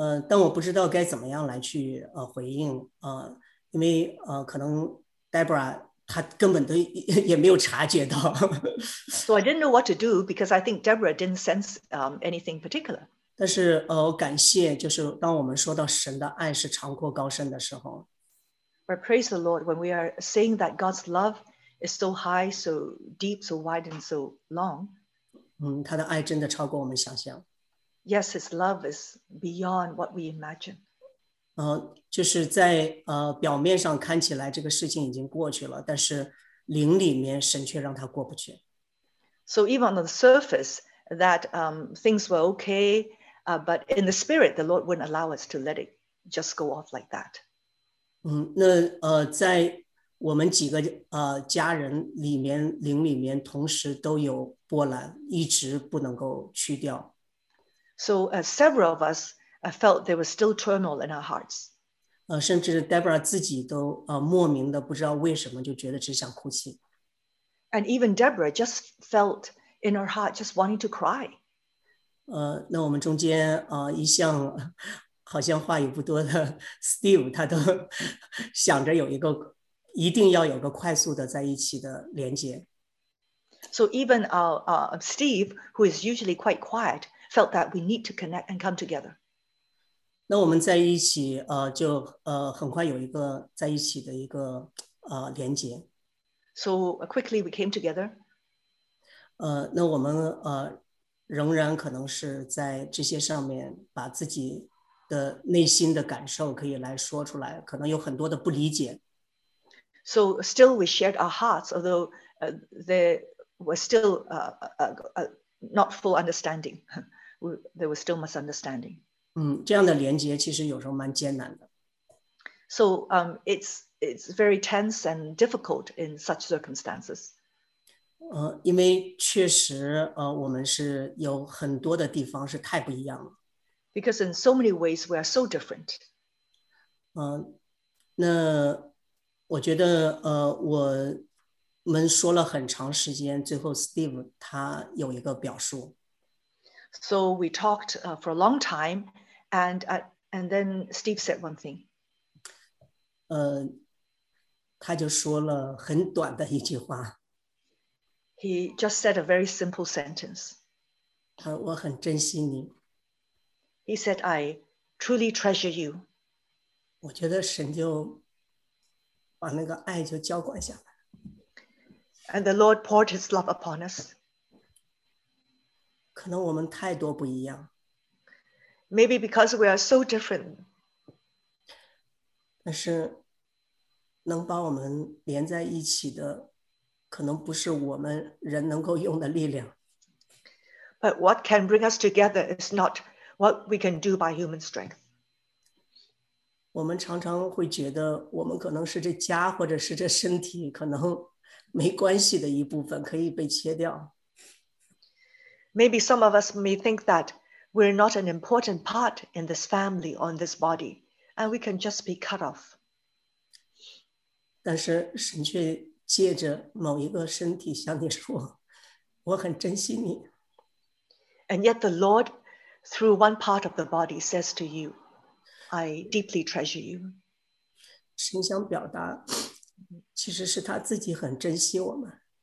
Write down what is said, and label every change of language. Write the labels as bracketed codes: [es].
[zh] 但我不知道该怎么样来去回应因为可能 Debra 她根本都也没有察觉到。 [en] So I didn't know what to do because I think Debra didn't sense anything particular. [zh] 但是我感谢就是当我们说到神的爱是长阔高深的时候。 [en] But praise the Lord when we are saying that God's love is so high, so deep, so wide, and so long. [zh] 他的爱真的超过我们想象。 [en] Yes, his love is beyond what we imagine. [zh] 就是在表面上看起来这个事情已经过去了，但是灵里面神却让他过不去。 [en] So even on the surface, that things were okay, but in the spirit, the Lord wouldn't allow us to let it just go off like that. [zh] 那在我们几个家人里面灵里面同时都有波澜，一直不能够去掉。 [en] So several of us felt there was still turmoil in our hearts. [zh] 甚至 Debra 自己都莫名的不知道为什么就觉得只想哭泣。 [en] And even Debra just felt in her heart just wanting to cry. [zh] 那我们中间一向好像话语不多的 Steve 他都想着有一个一定要有个快速的在一起的连接。 [en] So even Steve, who is usually quite quiet, felt that we need to connect and come together. [zh] 那我们在一起就很快有一个在一起的一个连接。 [en] So quickly we came together. [zh] 那我们仍然可能是在这些上面把自己的内心的感受可以来说出来，可能有很多的不理解。 [en] So still we shared our hearts, although there was still not full understanding. There was still misunderstanding. [zh] 这样的连接其实有时候蛮艰难的。 [en] So it's very tense and difficult in such circumstances. [zh] 因为确实我们是有很多的地方是太不一样了。 [en] Because in so many ways we are so different. [zh] 那我觉得我们说了很长时间，最后 Steve 他有一个表述。 [en] So we talked for a long time, and then Steve said one thing. [zh] 他就说了很短的一句话。 [en] He just said a very simple sentence. [zh] 他说我很珍惜你。 [en] He said, I truly treasure you. [zh] 我觉得神就把那个爱就浇灌下来。 [en] And the Lord poured his love upon us. [zh] 可能我们太多不一样。 [en] Maybe because we are so different. [zh] 但是能把我们连在一起的可能不是我们人能够用的力量。 [en] But what can bring us together is not what we can do by human strength. [zh] 我们常常会觉得我们可能是这家或者是这身体可能没关系的一部分可以被切掉。 [en] Maybe some of us may think that we're not an important part in this family or in this body, and we can just be cut off. [zh] 但是神却借着某一个身体向你说，我很珍惜你。 [en] And yet the Lord, through one part of the body, says to you, I deeply treasure you. [zh] 神想表达其实是他自己很珍惜我们。